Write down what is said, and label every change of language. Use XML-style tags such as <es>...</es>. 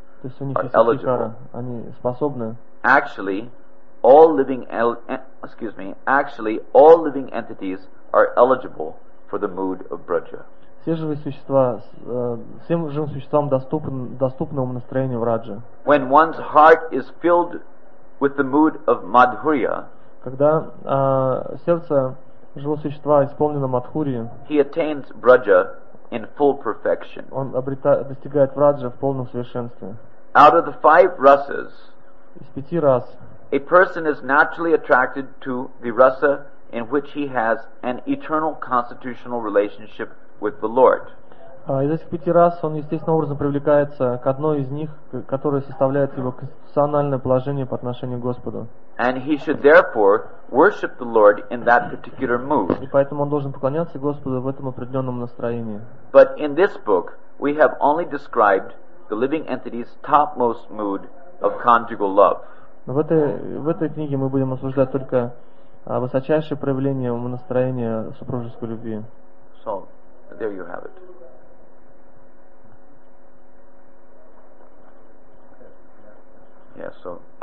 <ru>то есть у них есть adhikara они способны</ru> <en>actually all living actually all living entities are eligible for the mood of braja</en> <ru>все живые существа всем живым существам доступно настроение в раджа</ru> <en>when one's heart is filled with the mood of madhurya</en> <ru>когда сердце живого существа исполнено мадхурьи</ru> <en>he attains braja in full perfection</en> <ru>он достигает в раджа в полном совершенстве</ru> <en>out of the five rasas</en> <ru>из пяти рас</ru> <en>a person is naturally attracted to the rasa in which he has an eternal constitutional relationship with the Lord.</en> <ru>Из этих пяти рас он естественным образом привлекается к одной из них, которая составляет его конституциональное положение по отношению к Господу.</ru> <en>And he should therefore worship the Lord in that particular mood.</en> <ru>И поэтому он должен поклоняться Господу в этом определенном настроении.</ru> <en>But in this book we have only described the living entity's topmost mood of conjugal love.</en> <ru>Но в этой книге мы будем обсуждать только высочайшее проявление настроения супружеской любви.</ru> <en>So, there you have it. Yeah, so</en>